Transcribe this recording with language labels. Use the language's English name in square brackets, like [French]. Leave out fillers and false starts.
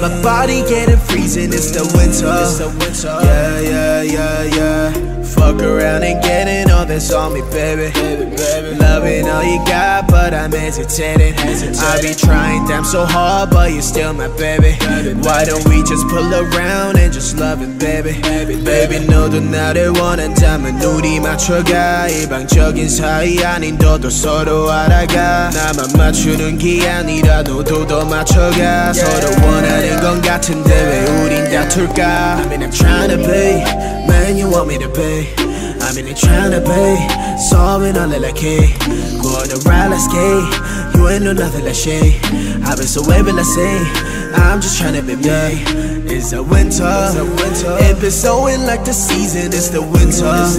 [English] My body getting freezing, it's the winter. Yeah. Fuck around and getting all this on me, baby. Loving all you got, but I'm hesitating. I be trying damn so hard, but you're still my baby. Why don't we just pull around and just love it, baby? [Korean] Baby, 너도 나를 원한다면 우리 맞춰가. 일방적인 사이 아닌 너도 서로 알아가. 나만 맞추는 게 아니라 너도 더 맞춰가. 서로 원하는 건 같은데 왜 우린 다툴까? [English] I mean I'm tryna be, man you want me to be. I mean I'm tryna be, solving all the like it. Go on the ride, let's skate. You ain't know nothing like shit. I've been so wavy, let's say. I'm just tryna be me. It's the winter. If it's snowing like the season, it's the winter.